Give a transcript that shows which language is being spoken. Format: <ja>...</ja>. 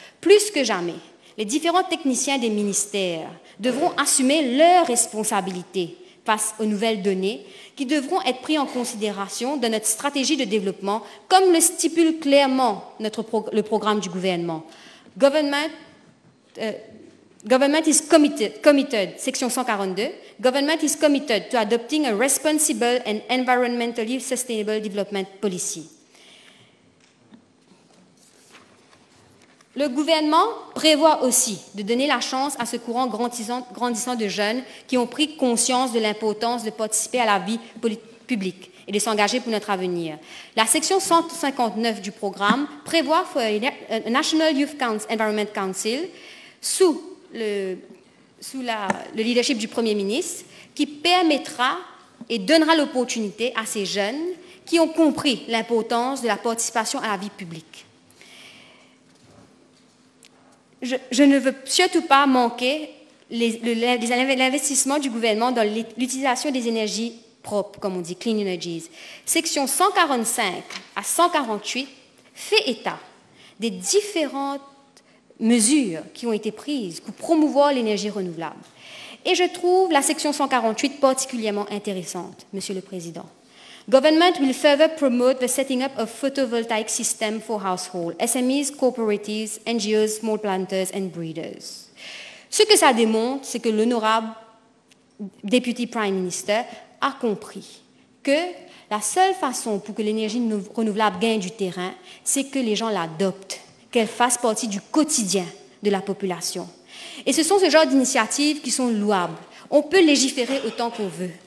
<fr>Plus que jamais, les différents techniciens des ministères devront assumer leurs responsabilités face aux nouvelles données qui devront être prises en considération dans notre stratégie de développement, comme le stipule clairement le programme du gouvernement. Government,</fr> <en>Government is committed, section 142, government is committed to adopting a responsible and environmentally sustainable development policy.</en> <fr>Le gouvernement prévoit aussi de donner la chance à ce courant grandissant de jeunes qui ont pris conscience de l'importance de participer à la vie publique et de s'engager pour notre avenir. La section 159 du programme prévoit pour un National Youth Council, Environment Council sous le leadership du Premier ministre qui permettra et donnera l'opportunité à ces jeunes qui ont compris l'importance de la participation à la vie publique. Je ne veux surtout pas manquer l'investissement du gouvernement dans l'utilisation des énergies propres, comme on dit, clean energies. Section 145 à 148 fait état des différentes mesures qui ont été prises pour promouvoir l'énergie renouvelable. Et je trouve la section 148 particulièrement intéressante, Monsieur le Président.</fr> <en>Government will further promote the setting up of photovoltaic system for households, SMEs, cooperatives, NGOs, small planters and breeders.</en> <fr>Ce que ça démontre, c'est que l'honorable député Prime Minister a compris que la seule façon pour que l'énergie renouvelable gagne du terrain, c'est que les gens l'adoptent, qu'elle fasse partie du quotidien de la population. Et ce sont ce genre d'initiatives qui sont louables. On peut légiférer autant qu'on veut.</fr>